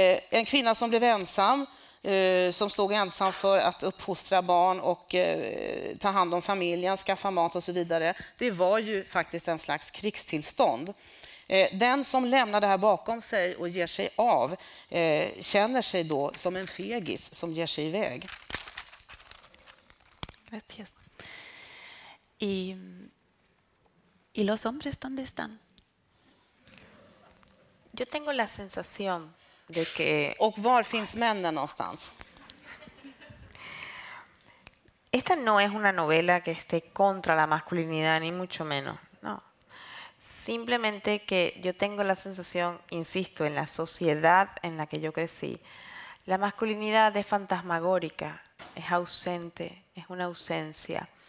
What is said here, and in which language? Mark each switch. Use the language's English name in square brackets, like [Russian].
[Swedish] En kvinna som blev ensam, som stod ensam för att uppfostra barn och ta hand om familjen, skaffa mat och så vidare. Det var ju faktiskt en slags krigstillstånd. Den som lämnar det här bakom sig och ger sig av känner sig då som en fegis som ger sig iväg. [Spanish] Gracias. Y los hombres dónde están? Yo tengo la sensación de que... [Swedish] Och var finns männen någonstans? [Spanish] Esta no es una novela que esté contra la masculinidad ni mucho menos. Simplemente que yo tengo la sensación, insisto, en la sociedad en la que yo crecí, la masculinidad es fantasmagórica, es ausente, es una ausencia.